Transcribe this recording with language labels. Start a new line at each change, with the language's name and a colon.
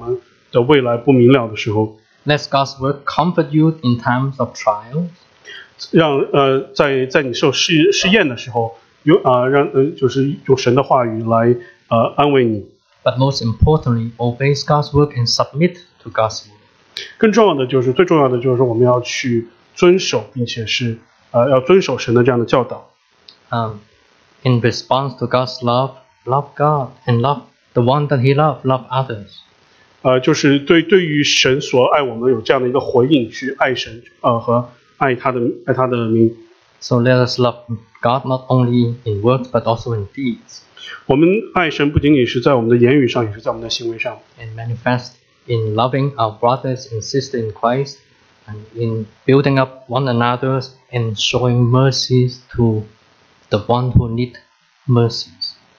Chinese: 所以我们去读神的话语，并且我们也要去抓紧这样神的应许，特别是当我们的未来不明了的时候。
English: Let God's word comfort you in times of trials.
Chinese: 让在你受试验的时候。让就是用神的话语来安慰你。
English: But most importantly, obey God's word and submit to God's word.
Chinese: 更重要的就是，最重要的就是我们要去遵守，并且是要遵守神的这样的教导。
English: In response to God's love, love God and love the one that He loves, love others.
Chinese: 就是对于神所爱我们有这样的一个回应，去爱神和爱他的名。
English: So let us love God not only in words but also in deeds.
Chinese: 我们爱神不仅仅是在我们的言语上，也是在我们的行为上。
English: And manifest in loving our brothers and sisters in Christ, and in building up one another and showing mercies to the one who need mercies.